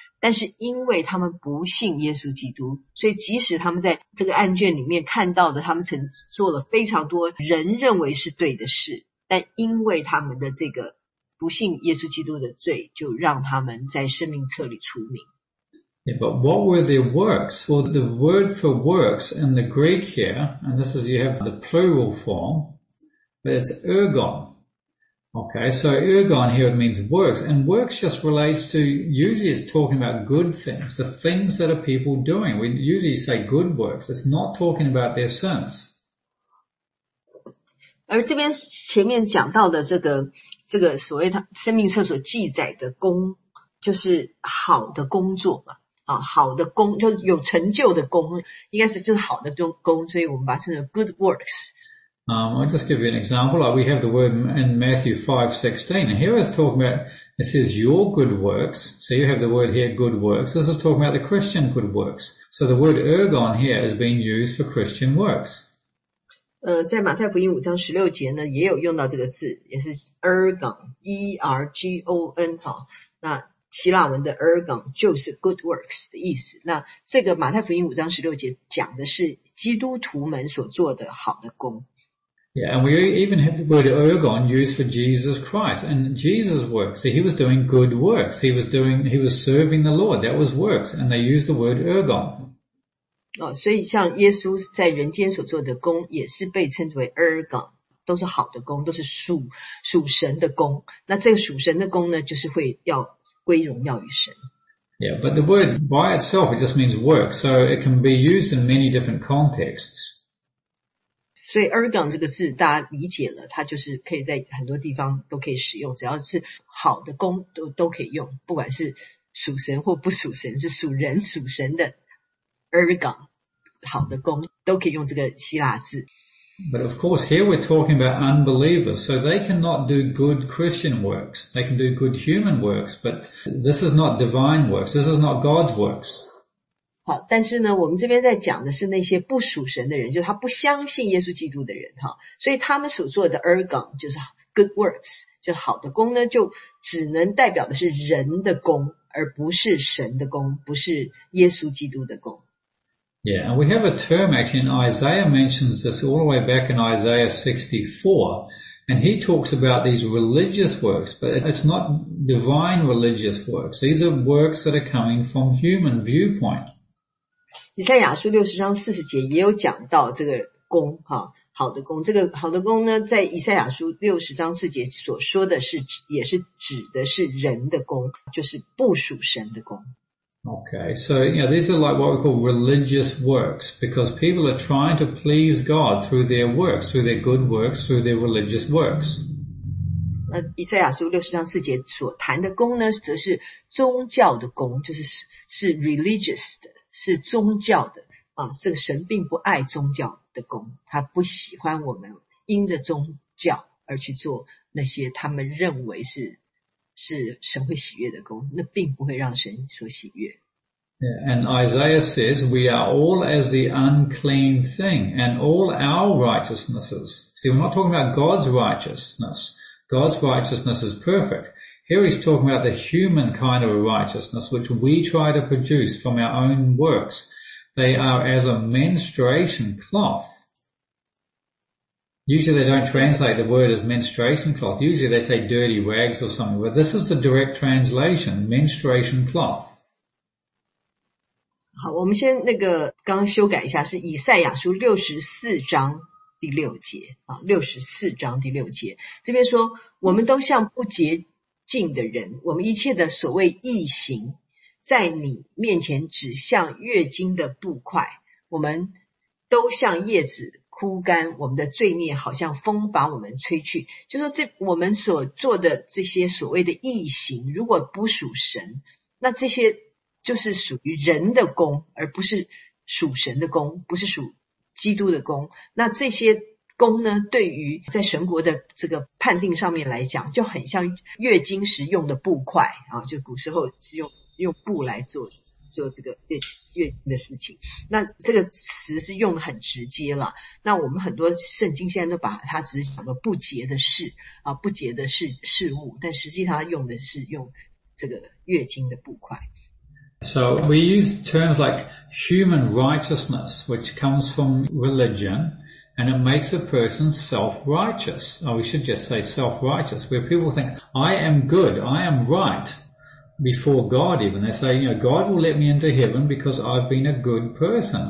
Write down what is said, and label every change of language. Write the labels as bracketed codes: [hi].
[zh] 但是因为他们不信耶稣基督，所以即使他们在这个案卷里面看到的，他们曾做了非常多人认为是对的事，但因为他们的这个不信耶稣基督的罪，就让他们在生命册里除名。 [en] Yeah, but what were their works? Well, the word for works in the Greek here, and this is you have the plural form, but it's ergon. Okay, so ergon here means works, and works just relates to, usually it's talking about good things, the things that are people doing. We usually say good works, it's not talking about their sins. [zh] 而这边前面讲到的这个所谓他生命册所记载的功，就是好的工作嘛，好的功，就是有成就的功，应该是就是好的功，所以我们把它称为 [en] good works. I'll just give you an example. Like we have the word in Matthew 5:16. And here it's talking about, it says your good works. So you have the word here, good works. This is talking about the Christian good works. So the word ergon here is being used for Christian works. [zh] 在马太福音5章16节呢，也有用到这个字，也是 ergon, E-R-G-O-N, 那希腊文的 ergon 就是 [en] good works [zh] 的意思。那这个马太福音5章16节讲的是基督徒们所做的好的功。 [en] Yeah, and we even have the word ergon used for Jesus Christ and Jesus' works. So he was doing good works. He was serving the Lord. That was works. And they use the word ergon. [zh] 所以像耶稣在人间所做的功也是被称之为 ergon, 都是好的功，都是属神的功。那这个属神的功呢，就是会要归荣耀于神。 [en] Yeah, but the word by itself, it just means work. So it can be used in many different contexts. [zh] 所以 ergon 这个字大家理解了，它就是可以在很多地方都可以使用，只要是好的功都可以用，不管是属神或不属神，是属人属神的 ergon 好的功都可以用这个希腊字。 [en] But of course here we're talking about unbelievers, so they cannot do good Christian works. They can do good human works, but this is not divine works. This is not God's works. [zh] 好，但是呢，我们这边在讲的是那些不属神的人，就是他不相信耶稣基督的人，所以他们所做的 ergon 就是 [en] good works, [zh] 就是好的功呢，就只能代表的是人的功，而不是神的功，不是耶稣基督的功。 [en] Yeah, and we have a term actually, Isaiah mentions this all the way back in Isaiah 64, and he talks about these religious works, but it's not divine religious works. These are works that are coming from human viewpoint. [zh] 以赛亚书60章40节也有讲到这个功，好的功，这个好的功呢，在以赛亚书60章4节所说的是，也是指的是人的功，就是不属神的功。 [en] Okay, so you know, these are like what we call religious works, because people are trying to please God through their works, through their good works, through their religious works. [zh] 以赛亚书60章4节所谈的功呢，则是宗教的功，就是 religious 的，是宗教的，这个神并不爱宗教的功，他不喜欢我们因着宗教而去做那些他们认为是神会喜悦的功，那并不会让神所喜悦。 [en] Yeah, and Isaiah says, we are all as the unclean thing, and all our righteousnesses. See, we're not talking about God's righteousness. God's righteousness is perfect. Here he's talking about the human kind of righteousness which we try to produce from our own works. They are as a menstruation cloth. Usually they don't translate the word as menstruation cloth. Usually they say dirty rags or something, but this is the direct translation, menstruation cloth. [zh] 好，我们先那个刚修改一下，是以赛亚书64章第6节。这边说，我们都像不洁净的人，我们一切的所谓义行，在你面前只像月经的布块，我们都像叶子枯干，我们的罪孽好像风把我们吹去。就说这我们所做的这些所谓的义行，如果不属神，那这些就是属于人的功，而不是属神的功，不是属基督的功。那这些功呢，对于在神国的这个判定上面来讲，就很像月经时用的布块啊，就古时候是用布来做这个月经的事情。那这个词是用得很直接了。那我们很多圣经现在都把它只是讲个不洁的事啊，不洁的事物，但实际上它用的是用这个月经的布块。 [en] So we use terms like human righteousness, which comes from religion, and it makes a person self-righteous. Or we should just say self-righteous, where people think, I am good, I am right before God even. They say, you know, God will let me into heaven because I've been a good person.